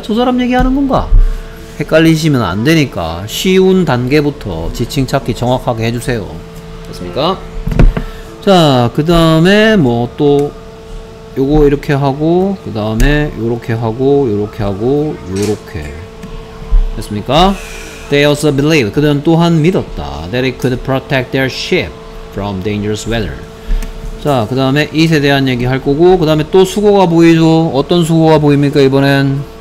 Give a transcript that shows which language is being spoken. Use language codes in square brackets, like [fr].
[ko] 저 사람 얘기하는 건가? 헷갈리시면 안 되니까 쉬운 단계부터 지칭 찾기 정확하게 해주세요. 됐습니까? 자, 그 다음에 뭐 또 요거 이렇게 하고 그 다음에 요렇게 하고 요렇게 하고 요렇게 됐습니까? [en] They also believed. [ko] 그들은 또한 믿었다. [en] That it could protect their ship from dangerous weather. [ko] 자, 그 다음에 it에 대한 얘기 할 거고 그 다음에 또 수거가 보이죠? 어떤 수거가 보입니까 이번엔?